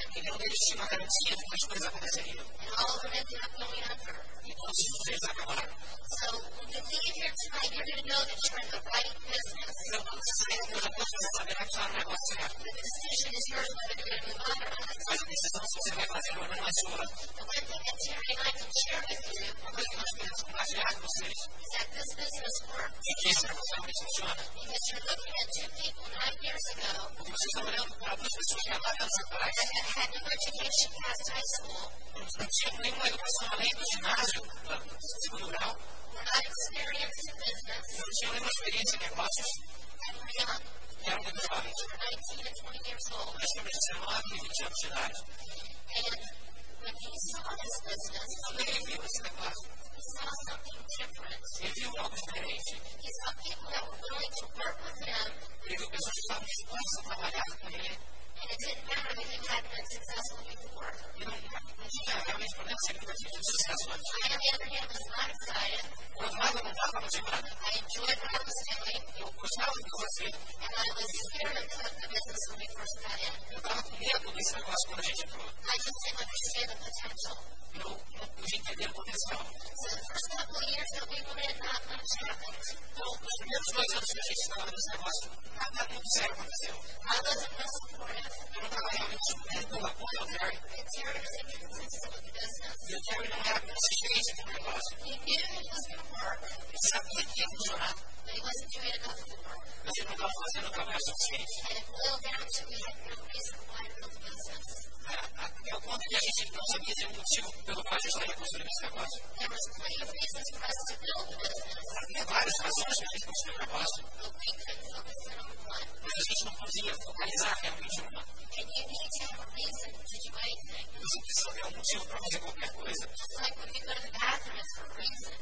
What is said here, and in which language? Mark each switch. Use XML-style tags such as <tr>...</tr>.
<pt>então eles tinham uma garantia de que as coisas aconteceriam.</pt> <en>And all of them ended up going under.</en> <pt>Então se vocês acabaram.</pt> <en>So when you leave here tonight, you're going to know that you're in the right business. The decision is yours whether you're going to move on or not.</en> <pt>Mas a decisão se você vai fazer ou não é sua.</pt> <en>The one thing that Terry and I can share with you.</en> <pt>Uma coisa que nós podemos compartilhar com vocês.</pt> <en>Is that this business works.</en> <pt>Esse negócio realmente funciona.</pt> <en>Because you're looking at two people 9 years ago.</en> <pt>Porque vocês estão olhando para duas pessoas que há 9 anos atrás.</pt> <en>That have had no education past high school.</en> <pt>Não tinham nenhuma educação além do ginásio, do segundo grau.</pt> <en>And when he saw this business.</en> <pt>Quando ele viu esse negócio.</pt> <en>He saw something different.</en> <pt>Ele viu algo diferente.</pt> <en>He saw people that were willing to work with him.</en> <pt>Ele viu pessoas que estavam dispostas a trabalhar com ele.</pt> <en>And it didn't matter if you had been successful before. I, on the other hand, was not excited. I enjoyed what I was doing. And I was scared of the business when we first got in. I just didn't understand the potential. So the first couple of years that we were in, not much happened. I wasn't real supportive. And Terry was inconsistent with the business. He knew it was going to work. But he wasn't doing enough of the work. And it boiled down to we had no reason why to build the business.</en> <pt>É o ponto que a gente não sabia dizer o motivo pelo qual a gente estaria construindo esse negócio.</pt> <en>There was plenty of reasons for us to build the business.</en> <pt>Havia várias razões para a gente construir o negócio.</pt> <en>But we couldn't focus in on one.</en> <pt>Mas a gente não podia focalizar realmente em uma.</pt> <en>And you need to have a reason to do anything.</en> <pt>Você precisa ter um motivo para fazer qualquer coisa.</pt> <en>Just like when you go to the bathroom for a reason.</en>